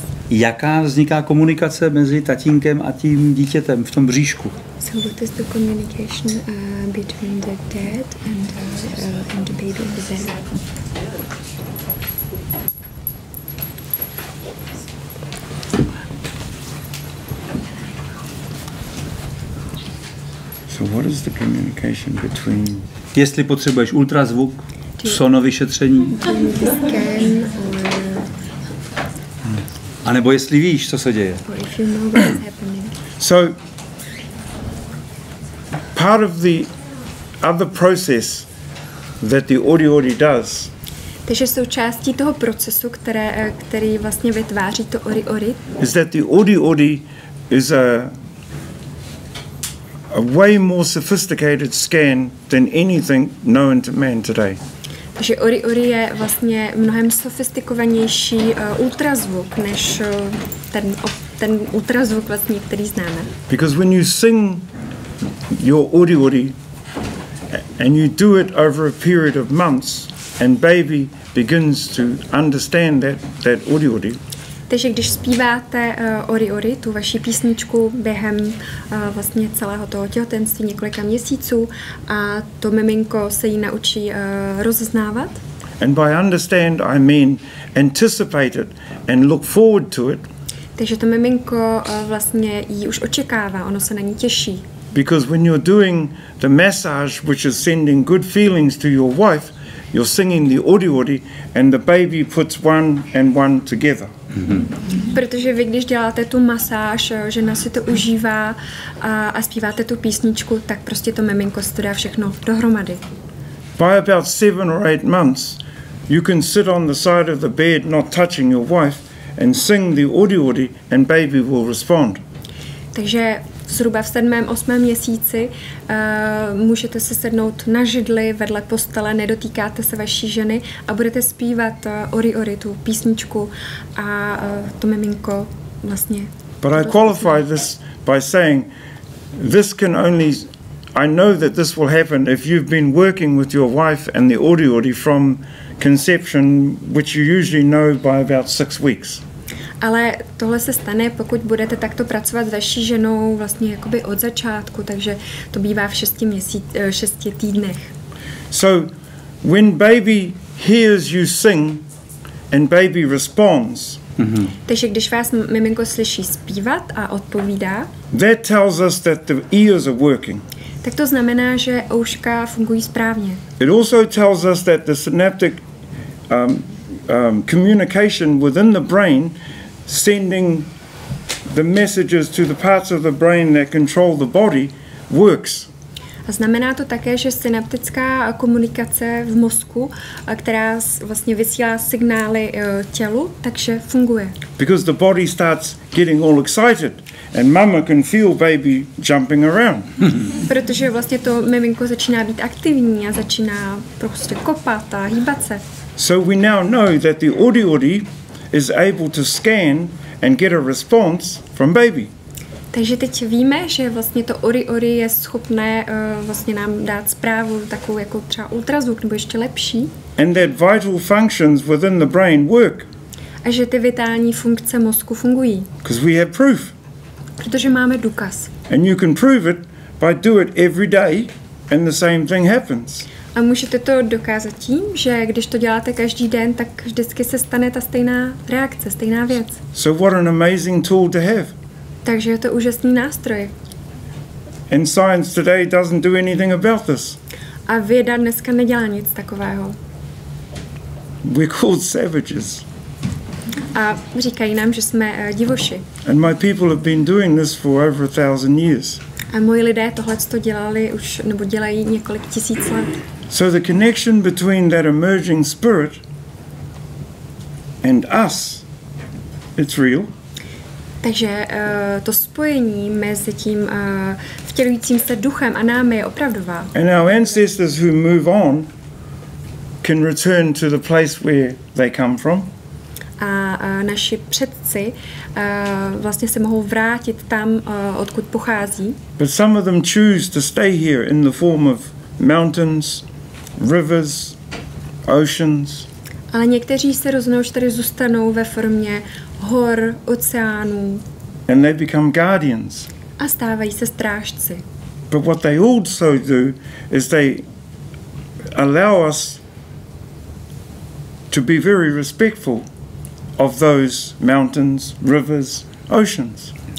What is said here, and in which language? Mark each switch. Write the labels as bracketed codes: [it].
[cs] Jaká vzniká komunikace mezi tatínkem a tím dítětem v tom bříšku? [en] So what is the communication between the dad and the baby in the belly? So what is the communication between? [cs] Jestli potřebuješ ultrazvuk, sono vyšetření. A nebo jestli víš, co se děje. [en] So part of the other process that the Oriori does. [cs] Takže součástí toho procesu, který vlastně vytváří to Oriori. [en] Is that the Oriori is a way more sophisticated scan than anything known to man today. [cs] Takže Oriori je vlastně mnohem sofistikovanější ultrazvuk než ten ultrazvuk vlastně, který známe. [en] Because when you sing your Oriori and you do it over a period of months and baby begins to understand that Oriori. [cs] Takže když zpíváte Oriori, tu vaši písničku během vlastně celého toho těhotenství několika měsíců a to miminko se jí naučí rozeznávat. [en] And by understand I mean anticipate it and look forward to it. [cs] Takže to miminko vlastně jí už očekává, ono se na ní těší. [en] Because when you're doing the massage which is sending good feelings to your wife, you're singing the Oriori and the baby puts one and one together. [cs] Protože vy, když děláte tu masáž, žena si to užívá a zpíváte tu písničku, tak prostě to miminko si to dá všechno dohromady. [en] By about 7 or 8 months, you can sit on the side of the bed not touching your wife and sing the Oriori and baby will respond. [cs] Takže zhruba v 7. 8. měsíci můžete se sednout na židli vedle postele, nedotýkáte se vaší ženy a budete zpívat Oriori, tu písničku, a to miminko vlastně. [en] But I qualify this by saying this can only, I know that this will happen if you've been working with your wife and the Oriori from conception, which you usually know by about 6 weeks. [cs] Ale tohle se stane, pokud budete takto pracovat s vaší ženou vlastně jakoby od začátku, takže to bývá v 6 týdnech. [en] So when baby hears you sing and baby responds. [cs] Takže když vás miminko slyší zpívat a odpovídá. [en] That tells us that the ears are working. [cs] Tak to znamená, že ouška fungují správně. [en] It also tells us that the synaptic communication within the brain sending the messages to the parts of the brain that control the body works. [cs] A znamená to také, že synaptická komunikace v mozku, která vlastně vysílá signály tělu, takže funguje. [en] Because the body starts getting all excited and mama can feel baby jumping around. [cs] Protože vlastně to miminko začíná být aktivní a začíná prostě kopat a hýbat se. [en] So we now know that the Oriori is able to scan and get a response from baby. [cs] Takže teď víme, že vlastně to Oriori je schopné vlastně nám dát zprávu takovou jako třeba ultrazvuk nebo ještě lepší. [en] And that vital functions within the brain work. [cs] A že ty vitální funkce mozku fungují. [en] Because we have proof. [cs] Protože máme důkaz. [en] And you can prove it by do it every day and the same thing happens. [cs] A můžete to dokázat tím, že když to děláte každý den, tak vždycky se stane ta stejná reakce, stejná věc. [en] So what an amazing tool to have. [cs] Takže je to úžasný nástroj. [en] And science today doesn't do anything about this. [cs] A věda dneska nedělá nic takového. [en] We're called savages. [cs] A říkají nám, že jsme divoši. [en] And my people have been doing this for over 1,000 years. [cs] A moji lidé tohleto dělali už nebo dělají několik tisíc let. [en] So the connection between that emerging spirit and us, it's real. [cs] Takže to spojení mezi tím vtělujícím se duchem a námi je opravdová. [en] And our ancestors who move on can return to the place where they come from. [cs] A naši předci vlastně se mohou vrátit tam, odkud pochází. [en] But some of them choose to stay here in the form of mountains, rivers, oceans. [cs] Ale někteří se rozhodnou, že tady zůstanou ve formě hor, oceánů. [en] And they become guardians. [cs] A stávají se strážci. [en] But what they also do is they allow us to be very respectful of those mountains, rivers, oceans.